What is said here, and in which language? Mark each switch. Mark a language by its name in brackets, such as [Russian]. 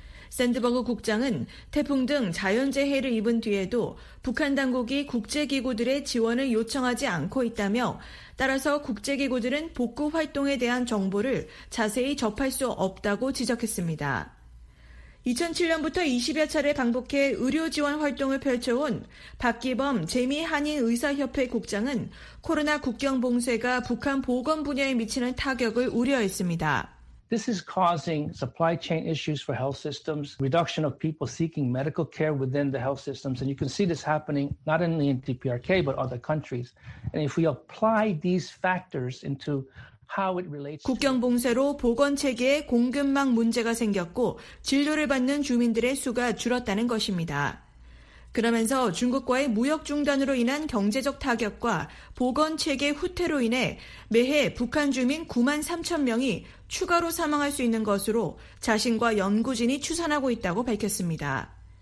[Korean] 샌드버그 국장은 태풍 등 자연재해를 입은 뒤에도 북한 당국이 국제기구들의 지원을 요청하지 않고 있다며 따라서 국제기구들은 복구 활동에 대한 정보를 자세히 접할 수 없다고 지적했습니다. 2007년부터 20여 차례 방북해 의료지원 활동을 펼쳐온 박기범 재미한인의사협회 국장은 코로나 국경 봉쇄가 북한 보건 분야에 미치는 타격을 우려했습니다. [English] This is causing supply chain issues for health systems, reduction of people seeking medical care within the health systems, and you can see this happening not only in DPRK but other countries. And if we apply these factors into how it relates, [Korean] 국경 봉쇄로 보건 체계에 공급망 문제가 생겼고 진료를 받는 주민들의 수가 줄었다는 것입니다. 그러면서 중국과의 무역 중단으로 인한 경제적 타격과 보건 체계 후퇴로 인해 매해 북한 주민 9만 3천 명이 추가로 사망할 수 있는 것으로 자신과 연구진이 추산하고 있다고 밝혔습니다.